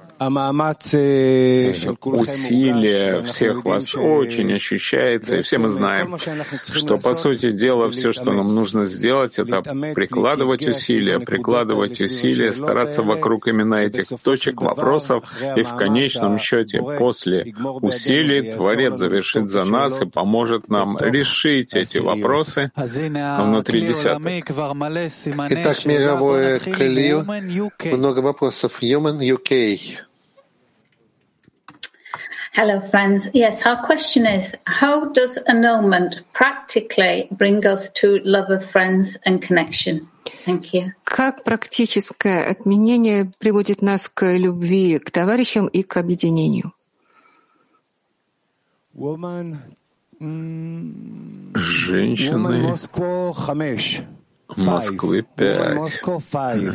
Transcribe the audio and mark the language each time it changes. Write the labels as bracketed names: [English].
[Russian] усилие всех вас очень ощущается, и все мы знаем, что, по сути дела, все, что нам нужно сделать, это прикладывать усилия, стараться вокруг именно этих точек вопросов, и в конечном счете, после усилий, Творец завершит за нас и поможет нам решить эти вопросы внутри десяток. Итак, мировое кли, много вопросов. [English] Human UK. Hello, friends. Yes, our question is, how does annulment practically bring us to love of friends and connection? Thank you. [Russian] Как практическое отменение приводит нас к любви, к товарищам и к объединению? [English] Woman, [Russian] женщины. Москвы 5.